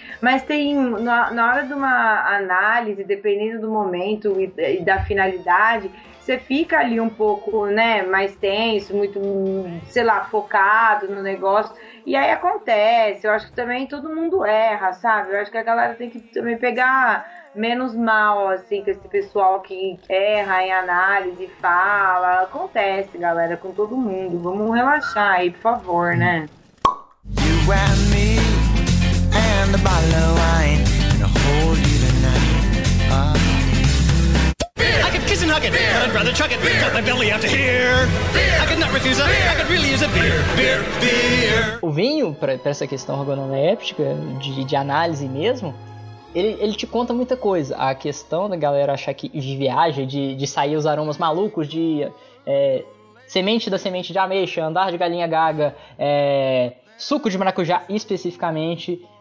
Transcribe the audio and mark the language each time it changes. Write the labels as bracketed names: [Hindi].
[Portuguese] Mas tem, na hora de uma análise, dependendo do momento e da finalidade, você fica ali um pouco, né, mais tenso, muito, sei lá, focado no negócio. E aí acontece, eu acho que também todo mundo erra, sabe? Eu acho que a galera tem que também pegar menos mal, assim, com esse pessoal que erra em análise, fala. Acontece, galera, com todo mundo. Vamos relaxar aí, por favor, né? [English] You and me and the bottle of wine. I'd rather chuck it, beer. Cut my belly out to here. Beer. I could not refuse a beer. I could really use a beer. Beer, beer. [Portuguese] O vinho, pra essa questão ergonométrica, de análise mesmo, ele te conta muita coisa. A questão da galera achar que viaja, de sair os aromas malucos, semente da semente de ameixa, andar de galinha gaga, suco de maracujá especificamente...